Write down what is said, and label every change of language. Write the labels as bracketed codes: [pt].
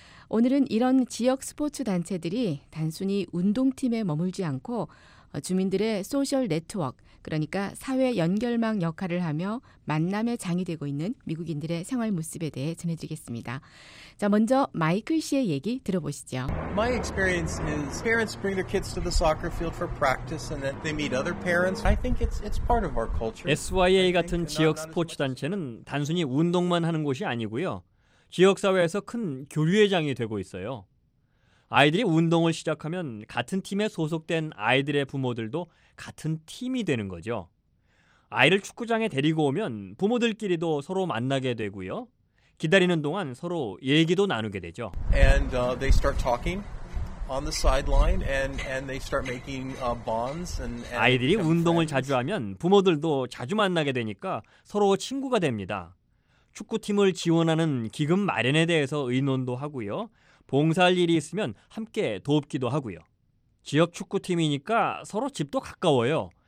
[ko] 오늘은 이런 지역 스포츠 단체들이 단순히 운동팀에 머물지 않고 주민들의 소셜 네트워크, 그러니까 사회 연결망 역할을 하며 만남의 장이 되고 있는 미국인들의 생활 모습에 대해 전해드리겠습니다. 자, 먼저 마이클 씨의 얘기 들어보시죠. [en] My experience is parents bring their kids to the soccer field for practice and then they meet other parents. I think it's part of our culture. [ko] SYA 같은 지역 스포츠 단체는 단순히 운동만 하는 곳이 아니고요. 지역사회에서 큰 교류의 장이 되고 있어요. 아이들이 운동을 시작하면 같은 팀에 소속된 아이들의 부모들도 같은 팀이 되는 거죠. 아이를 축구장에 데리고 오면 부모들끼리도 서로 만나게 되고요. 기다리는 동안 서로 얘기도 나누게 되죠. [en] And they start talking on the sideline and they start making bonds and [ko] 아이들이 운동을 자주 하면 부모들도 자주 만나게 되니까 서로 친구가 됩니다. 축구팀을 지원하는 기금 마련에 대해서 의논도 하고요. 봉사할 일이 있으면 함께 돕기도 하고요. 지역 축구팀이니까 서로 집도 가까워요.